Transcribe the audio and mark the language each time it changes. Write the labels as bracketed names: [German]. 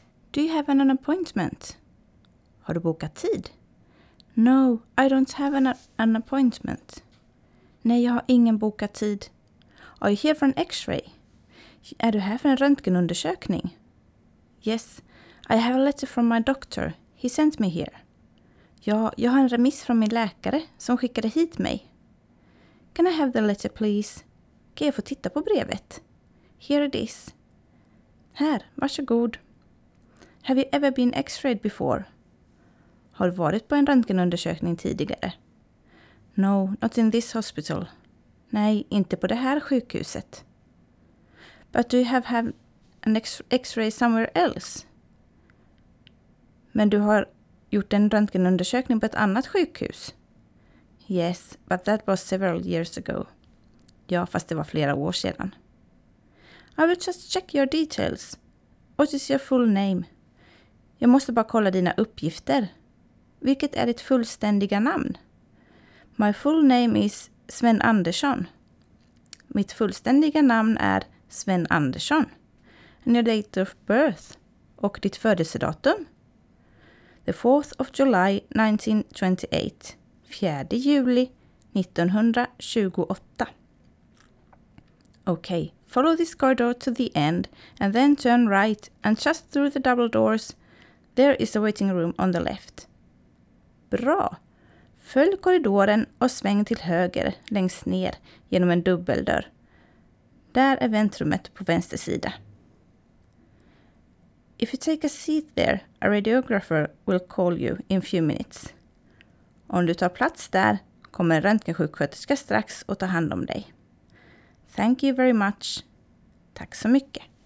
[English] Do you have an appointment? [Swedish] Har du bokat tid? [English] No, I don't have an appointment. [Swedish] Nej, jag har ingen bokat tid. [English] Are you here for an x-ray? [Swedish] Är du här för en röntgenundersökning? [English] Yes, I have a letter from my doctor. He sent me here. [Swedish] Ja, jag har en remiss från min läkare som skickade hit mig. [English] Can I have the letter, please? [Swedish] Kan jag få titta på brevet? [English] Here it is. [Swedish] Här, varsågod. [English] Have you ever been x-rayed before? [Swedish] Har du varit på en röntgenundersökning tidigare? [English] No, not in this hospital. [Swedish] Nej, inte på det här sjukhuset. [English] But do you have had an x-ray somewhere else? [Swedish] Men du har gjort en röntgenundersökning på ett annat sjukhus? [English] Yes, but that was several years ago. [Swedish] Ja, fast det var flera år sedan. [English] I will just check your details. What is your full name? [Swedish] Jag måste bara kolla dina uppgifter. Vilket är ditt fullständiga namn? [English] My full name is Sven Andersson. [Swedish] Mitt fullständiga namn är Sven Andersson. [English] And your date of birth? [Swedish] Och ditt födelsedatum? [English] The 4th of July 1928. [Swedish] 4 juli 1928. [English] Okay, follow this corridor to the end and then turn right and just through the double doors. There is a waiting room on the left. [Swedish] Bra! Följ korridoren och sväng till höger längst ner genom en dubbeldörr. Där är väntrummet på vänster sida. [English] If you take a seat there, a radiographer will call you in few minutes. [Swedish] Om du tar plats där kommer en röntgensjuksköterska strax och ta hand om dig. [English] Thank you very much. [Swedish] Tack så mycket.